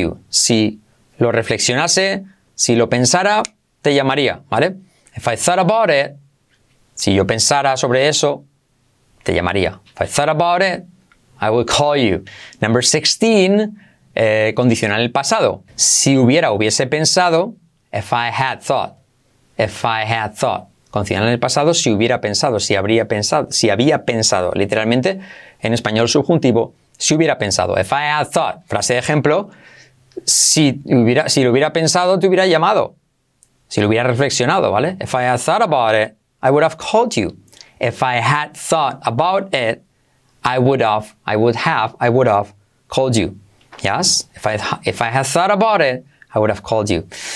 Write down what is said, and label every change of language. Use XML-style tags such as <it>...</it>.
<es>Si lo reflexionase, si lo pensara, te llamaría, ¿vale?</es> <en>If I thought about it,</en> <es>si yo pensara sobre eso, te llamaría.</es> <en>If I thought about it, I would call you. Number 16,</en> <es>condicional el pasado. Si hubiese pensado,</es> <en>if I had thought. If I had thought.</en> <es>Condicional en el pasado, si hubiera pensado, si habría pensado, si había pensado. Literalmente, en español subjuntivo, si hubiera pensado.</es> <en>If I had thought.</en> <es>Frase de ejemplo, si lo hubiera pensado, te hubiera llamado. Si lo hubiera reflexionado, ¿vale?</es> <en>If I had thought about it, I would have called you. If I had thought about it, I would have called you. Yes? If I had thought about it, I would have called you.</en>